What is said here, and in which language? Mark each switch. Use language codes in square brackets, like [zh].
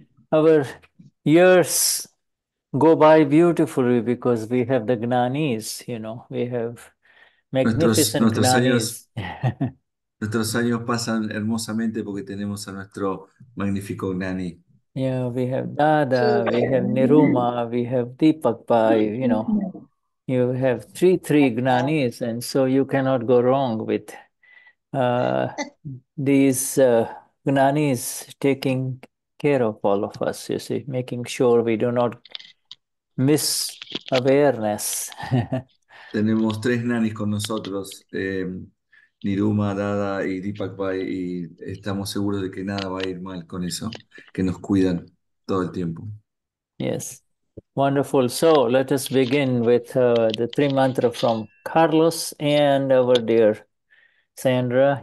[en] Our years go by beautifully because we have the Gnanis, you know, we have magnificent Gnanis. [es] Nuestros años pasan hermosamente porque tenemos a nuestro magnífico Gnani. [en] Yeah, we have Dada, we have Niruma, we have Deepakpai, you know. You have three Gnanis, and so you cannot go wrong with these Gnanis taking care of all of us, you see, making sure we do not miss awareness. [es] Tenemos tres Gnanis con nosotros, Niruma, Dada y Deepakpai, y estamos seguros de que nada va a ir mal con eso, que nos cuidan todo el tiempo. [en] Yes. Wonderful. So let us begin with the three mantra from Carlos and our dear Sandra.